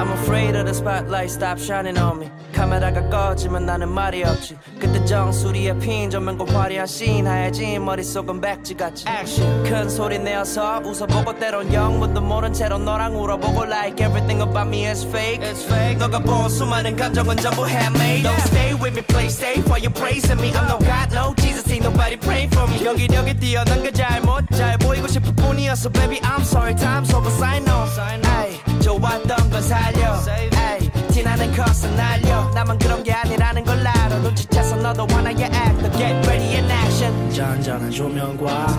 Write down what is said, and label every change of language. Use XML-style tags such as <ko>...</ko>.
<en>I'm afraid of the spotlight Stop shining on me</en> <ko>카메라가 꺼지면 나는 말이 없지 그때 정수리에 핀 조명과 화려한 씬 하얘진 머릿속은 백지같이</ko> <en>Action</en> <ko>큰 소리 내어서 웃어보고 때론 영문도 모른 채로 너랑 울어보고</ko> <en>Like everything about me is fake It's fake</en> <ko>너가 본 수많은 감정은 전부 handmade</ko> <en>yeah. Don't stay with me, play safe while you're praising me I'm no God, no Jesus, ain't nobody praying for me</en> <ko>경기력이 뛰어난 게 잘못 잘 보이고 싶을 뿐이었어</ko> <en>Baby, I'm sorry, time's over, sign on</en> <ko>Ay, 좋았던 건 살려 Ay, 티나는 컷은 날려 나만 그런 게 아니라는 걸 알아 눈치채서 너도 하나의 actor</ko> <en>Get ready in action</en> <ko>잔잔한 조명과</ko>